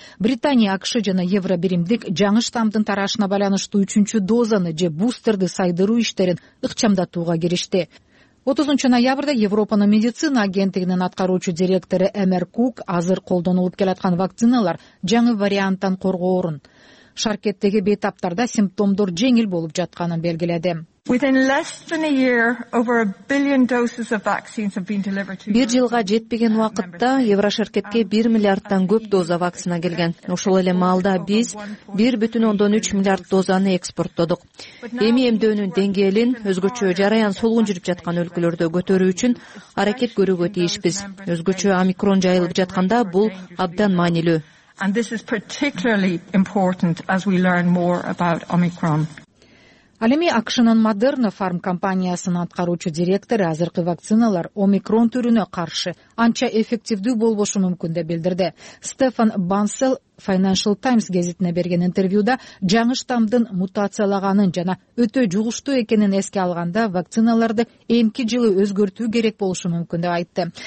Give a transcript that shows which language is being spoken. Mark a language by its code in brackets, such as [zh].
[ky] Британия, АКШ жана Евробиримдик жаңы штамдын тарашына байланыштуу үчүнчү дозаны же бустерди сайдыруу иштерин ыкчамдатууга киришти. 30 ноябрда Европанын медицина агенттигинин аткаруучу директору Эмер Кук азыр колдонулуп келаткан вакциналар жаңы варианттан коргоорун, шаркеттеги бейтаптарда симптомдор жеңил болуп жатканын белгиледи. [en] Within less than a year, over 1 billion doses of vaccines have been delivered to. [ky] Бир жылга жетпеген убакытта Еврошаркетке 1 миллиарддан көп доза вакцина келген. Ошол эле маалда биз 1,3 миллиард дозаны экспорттодук. Эми эмдөөнүн деңгээлин өзгөчө жараян солгун жүрүп жаткан өлкөлөрдө көтөрүү үчүн аракет көрүүгө тийишпиз. Өзгөчө омикрон жайылып жатканда бул абдан маанилүү. [en] And this is particularly important as we learn more about Omicron. [ky] Ал эми АКШнын Moderna Farm компаниясынын аткаруучу директору азыркы вакциналар омикрон түрүнө каршы анча эффективдүү болбошу мүмкүн деп билдирди. Стефан Бансел Financial Times гезитине берген интервьюда жаңы штамдын мутациялаганын жана өтө жугуштуу экенин эске алганда вакциналарды эмки жылы өзгөртүү керек болушу мүмкүн деп айтты.